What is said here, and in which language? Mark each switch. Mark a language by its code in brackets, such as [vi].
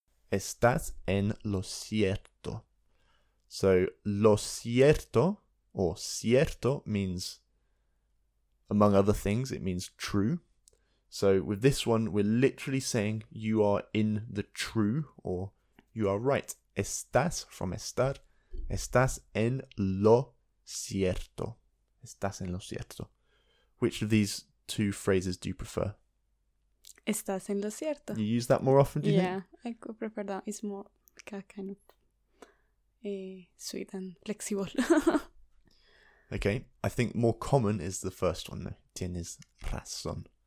[es] Estás en lo cierto. [en] So, lo cierto, or cierto, means, among other things, it means true. So, with this one, we're literally saying you are in the true, or you are right. [es] Estás, from estar, estás en lo cierto. Estás en lo cierto. [en] Which of these two phrases do you prefer? [es] Estás en lo cierto. [en] You use that more often, do you think? Yeah, I prefer that. It's more kind of sweet and flexible. Okay, I think more common is the first one, though. [es] Tienes razón.